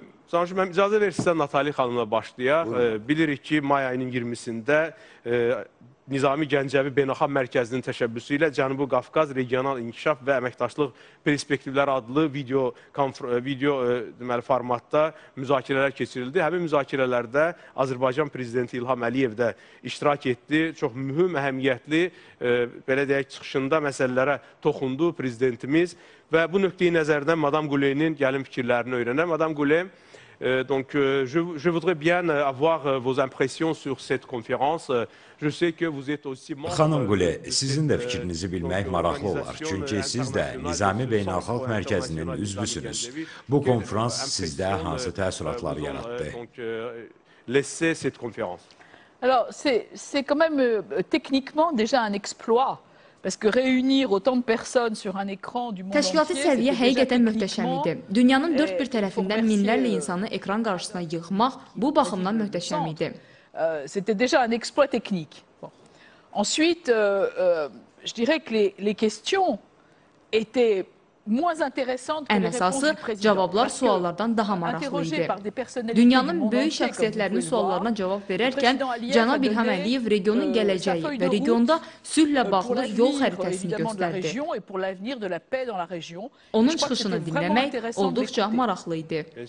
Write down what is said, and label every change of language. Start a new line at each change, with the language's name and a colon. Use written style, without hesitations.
Azerbaijani: Sanırım, mən icazə verir sizə Natali xanımla başlayaq. Bilirik ki, may ayının 20-sində Nizami Gəncəvi Beynəlxalq Mərkəzinin təşəbbüsü ilə Cənubi Qafqaz Regional İnkişaf və Əməkdaşlıq Perspektivləri adlı video formatda müzakirələr keçirildi. Həmin müzakirələrdə Azərbaycan Prezidenti İlham Əliyev də iştirak etdi. Çox mühüm, əhəmiyyətli, belə deyək, çıxışında məsələlərə toxundu Prezidentimiz. Və bu nöqtəyi nəzərdən Madam Gule'nin gəlin fikirlərini öyrənəm.
French: Madam Gule, donc, je voudrais bien avoir vos impressions sur cette conférence. Je sais que vous êtes aussi.
Azerbaijani: Xanım Gule, sizin de fikrinizi bilmek maraqlı olar. Çünkü siz de Nizami Beynəlxalq Mərkəzinin üzvüsünüz. Bu konferans sizde hansı təəssüratlar yarattı?
French: Laissez cette conférence. Alors, c'est quand même techniquement déjà un exploit.
Azerbaijani: Təşkilatı səviyyə həqiqətən möhtəşəm idi. Dünyanın dörd bir tərəfindən minlərlə insanı ekran qarşısına yığmaq bu baxımdan möhtəşəm idi.
French: C'était déjà un exploit technique. Ensuite, je dirais que les questions étaient moins intéressantes que les réponses du président.
Azerbaijani: Ən əsası, cavablar suallardan daha maraqlı idi. Dünyanın böyük şəxsiyyətlərinin suallarına cavab verərkən, cənab İlham Əliyev regionun gələcəyi və regionda sülhlə bağlı yol xəritəsini göstərdi. Onun çıxışını dinləmək olduqca maraqlı idi.